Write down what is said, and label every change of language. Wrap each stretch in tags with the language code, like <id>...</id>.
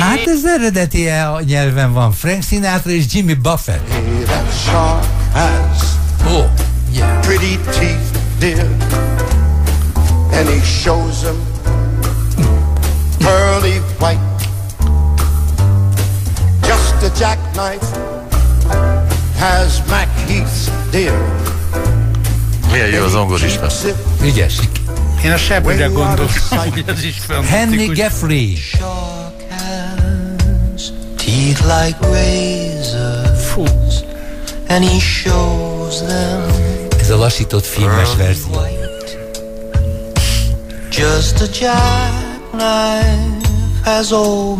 <hu>Hát ez eredeti nyelven van. Frank Sinatra és Jimmy Buffett.</hu> <en>Pretty teeth, dear, and he shows them pearly white. Just a jackknife has MacHeath's dear.</en> <hu>Milyen jó az angolista. Ügyes. Én a sebbre gondoltam, hogy ez is fantasztikus. Henry Geoffrey.</hu> <en>Shark has teeth like razors. And he shows them.</en> <hu>Ez a lassított filmes verzió.</hu> <en>Just a jackknife has old</en>